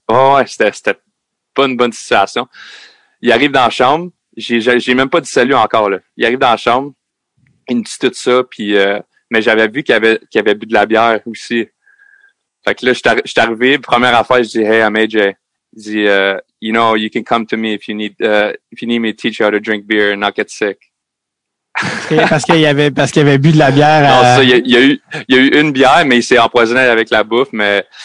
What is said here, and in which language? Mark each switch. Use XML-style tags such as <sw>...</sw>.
<fr>Oh, ouais, c'était pas une bonne situation. Il arrive dans la chambre, j'ai même pas dit salut encore, là. Il arrive dans la chambre, il me dit tout ça, puis mais j'avais vu qu'il avait bu de la bière aussi. Fait que là, je suis arrivé, première affaire, je dis «</fr> <en>Hey, I'm AJ ». Il dit, you know, you can come to me if you need me to teach you how to drink beer and not get sick.</en> <fr>parce qu'il avait bu de la bière. Non, ça, il y a eu une bière, mais il s'est empoisonné avec la bouffe, mais</fr>